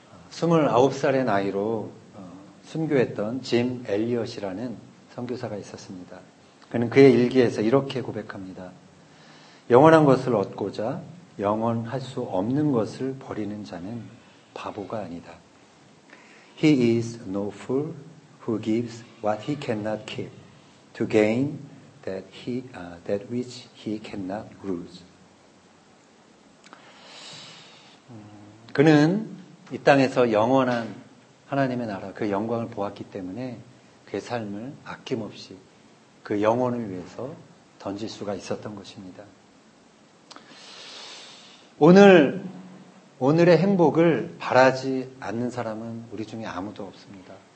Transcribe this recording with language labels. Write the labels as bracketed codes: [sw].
[ko] 29살의 나이로 순교했던 짐 엘리엇이라는 선교사가 있었습니다. 그는 그의 일기에서 이렇게 고백합니다. 영원한 것을 얻고자 영원할 수 없는 것을 버리는 자는 바보가 아니다. [en] He is no fool who gives what he cannot keep to gain that which he cannot lose. [ko] 그는 이 땅에서 영원한 하나님의 나라, 그 영광을 보았기 때문에 그의 삶을 아낌없이 그 영혼을 위해서 던질 수가 있었던 것입니다. 오늘의 행복을 바라지 않는 사람은 우리 중에 아무도 없습니다.